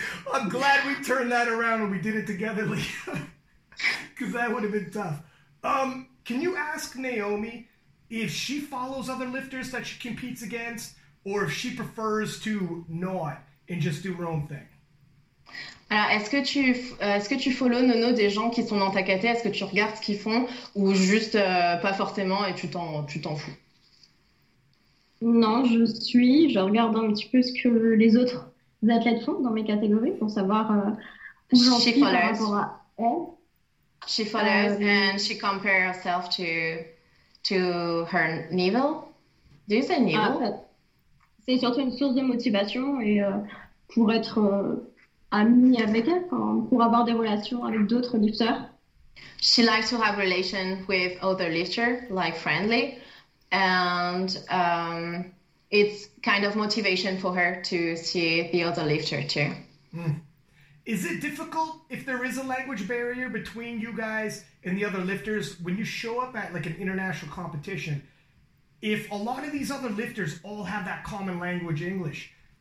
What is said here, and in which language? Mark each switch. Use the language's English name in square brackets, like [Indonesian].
[English] I'm glad we turned that around and we did it together, Leah. Because that would have been tough. Can you ask Naomi if she follows other lifters that she competes against, or if she prefers to not and just do her own thing? [French] Alors, est-ce que tu follow Nono des gens qui sont dans ta caté? Est-ce que tu regardes ce qu'ils font ou juste pas forcément et tu t'en fous? Non, je regarde un petit peu ce que les autres athlètes font dans mes catégories pour savoir où j'en suis par rapport à [English] She follows [French] elles. [English] and she compares herself to her needle. Do you say Ah, needle? [French] c'est surtout une source de motivation et pour être amie avec elle, pour avoir des relations avec d'autres lifters. [English] She likes to have relation with other lifters, like friendly, and it's kind of motivation for her to see the other lifter too. Is it difficult if there is a language barrier between you guys and the other lifters when you show up at like an international competition? If a lot of these other lifters all have that common language, English,